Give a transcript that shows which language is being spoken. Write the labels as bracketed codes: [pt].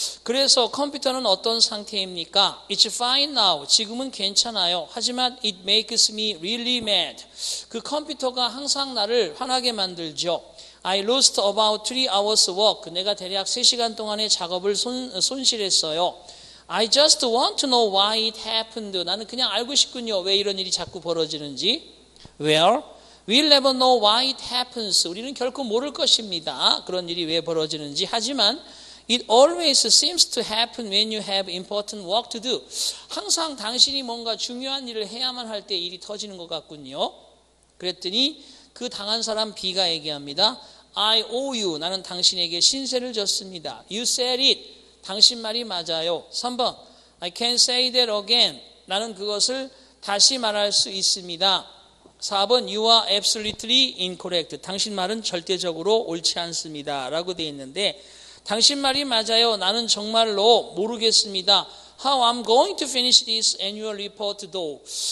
[ko] 그래서 컴퓨터는 어떤 상태입니까? [en] It's fine now. [ko] 지금은 괜찮아요. 하지만 [en] it makes me really mad. [ko] 그 컴퓨터가 항상 나를 화나게 만들죠. [en] I lost about 3 hours work. [ko] 내가 대략 3시간 동안의 작업을 손실했어요. [en] I just want to know why it happened. [ko] 나는 그냥 알고 싶군요. 왜 이런 일이 자꾸 벌어지는지. [en] Well, we'll never know why it happens. [ko] 우리는 결코 모를 것입니다. 그런 일이 왜 벌어지는지. 하지만 [en] it always seems to happen when you have important work to do. [ko] 항상 당신이 뭔가 중요한 일을 해야만 할 때 일이 터지는 것 같군요. 그랬더니 그 당한 사람 B가 얘기합니다. [en] I owe you. [ko] 나는 당신에게 신세를 졌습니다. [en] You said it. [ko] 당신 말이 맞아요. 3번. [en] I can say that again. [ko] 나는 그것을 다시 말할 수 있습니다. [en] 4번. You are absolutely incorrect. [ko] 당신 말은 절대적으로 옳지 않습니다. 라고 되어 있는데 당신 말이 맞아요. 나는 정말로 모르겠습니다. [en] How I'm going to finish this annual report though.